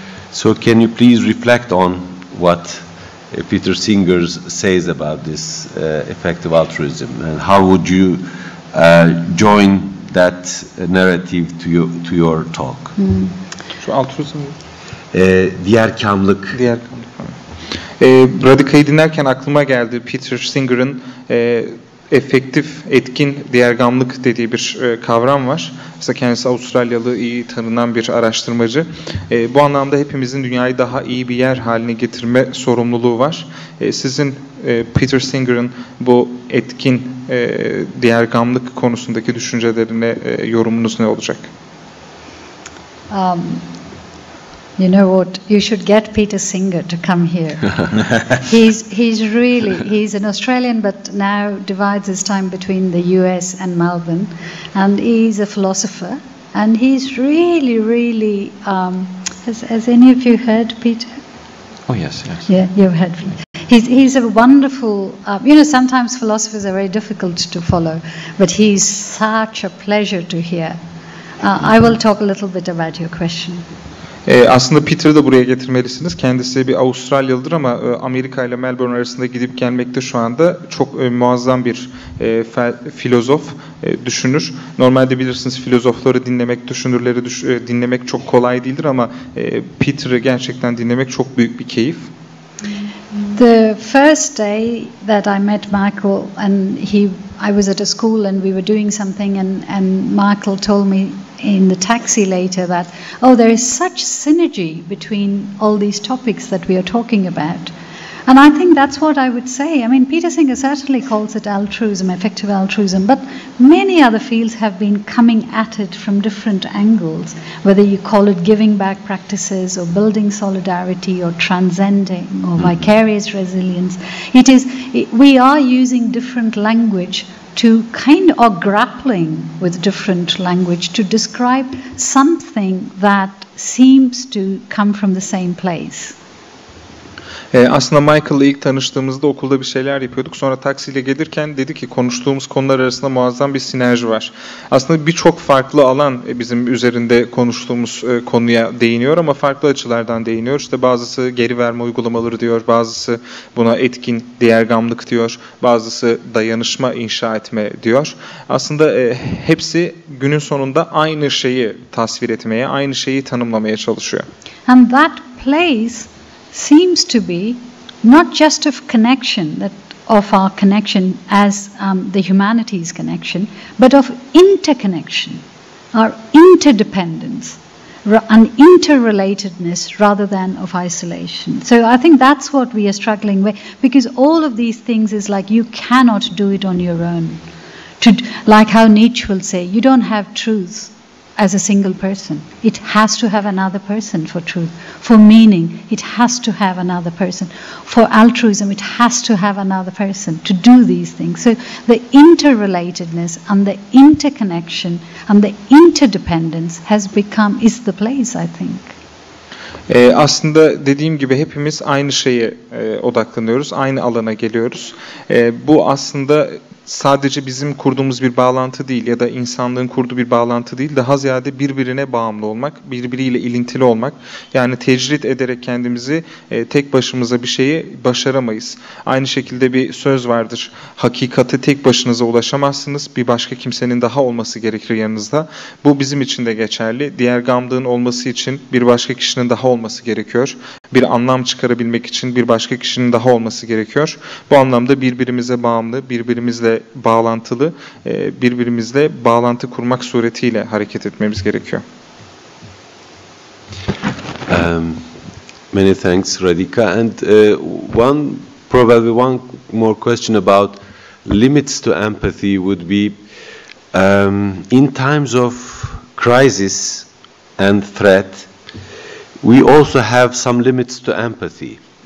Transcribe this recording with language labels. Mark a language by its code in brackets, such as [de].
[en] So can you please reflect on what Peter Singer says about this effective altruism, and how would you join that narrative to your talk. [tr] Şu altruizm mi? Diğerkamlık. Radhika'yı dinlerken aklıma geldi Peter Singer'ın efektif, etkin diğergamlık dediği bir kavram var. Mesela kendisi Avustralyalı, iyi tanınan bir araştırmacı. Bu anlamda hepimizin dünyayı daha iyi bir yer haline getirme sorumluluğu var. Sizin Peter Singer'ın bu etkin diğergamlık konusundaki düşüncelerine yorumunuz ne olacak? [en] You know what? You should get Peter Singer to come here. he's an Australian, but now divides his time between the US and Melbourne, and he's a philosopher, and he's really, really. Has any of you heard Peter? Oh yes, yes. Yeah, you've heard Peter. He's a wonderful. You know, sometimes philosophers are very difficult to follow, but he's such a pleasure to hear. I will talk a little bit about your question. [tr] Aslında Peter'ı da buraya getirmelisiniz. Kendisi bir Avustralyalıdır ama Amerika ile Melbourne arasında gidip gelmekte şu anda çok muazzam bir filozof, düşünür. Normalde bilirsiniz filozofları dinlemek, düşünürleri dinlemek çok kolay değildir ama Peter'ı gerçekten dinlemek çok büyük bir keyif. [en] The first day that I met Michael and I was at a school and we were doing something and Michael told me in the taxi later that, oh, there is such synergy between all these topics that we are talking about. And I think that's what I would say. I mean, Peter Singer certainly calls it altruism, effective altruism, but many other fields have been coming at it from different angles, whether you call it giving back practices or building solidarity or transcending or vicarious resilience. We are using different language or grappling with different language to describe something that seems to come from the same place. [tr] Aslında Michael'la ilk tanıştığımızda okulda bir şeyler yapıyorduk. Sonra taksiyle gelirken dedi ki konuştuğumuz konular arasında muazzam bir sinerji var. Aslında birçok farklı alan bizim üzerinde konuştuğumuz konuya değiniyor ama farklı açılardan değiniyor. İşte bazısı geri verme uygulamaları diyor, bazısı buna etkin diğergamlık diyor, bazısı dayanışma inşa etme diyor. Aslında hepsi günün sonunda aynı şeyi tasvir etmeye, aynı şeyi tanımlamaya çalışıyor. [en] And that place seems to be not just of connection, that of our connection as the humanity's connection, but of interconnection, our interdependence, an interrelatedness rather than of isolation. So I think that's what we are struggling with, because all of these things is like you cannot do it on your own. To, like how Nietzsche will say, you don't have truth as a single person. It has to have another person for truth. For meaning, it has to have another person. For altruism, it has to have another person to do these things. So the interrelatedness and the interconnection and the interdependence has become, is the place, I think. [tr] Aslında dediğim gibi hepimiz aynı şeye odaklanıyoruz, aynı alana geliyoruz. Bu aslında sadece bizim kurduğumuz bir bağlantı değil ya da insanlığın kurduğu bir bağlantı değil, daha ziyade birbirine bağımlı olmak, birbiriyle ilintili olmak. Yani tecrit ederek kendimizi tek başımıza bir şeyi başaramayız. Aynı şekilde bir söz vardır, hakikate tek başınıza ulaşamazsınız, bir başka kimsenin daha olması gerekir yanınızda. Bu bizim için de geçerli. Diğer gamlığın olması için bir başka kişinin daha olması gerekiyor. Bir anlam çıkarabilmek için bir başka kişinin daha olması gerekiyor. Bu anlamda birbirimize bağımlı, birbirimizle bağlantılı, birbirimizle bağlantı kurmak suretiyle hareket etmemiz gerekiyor. [en] Many thanks, Radhika. And one more question about limits to empathy would be in times of crisis and threat, we also have some limits to empathy.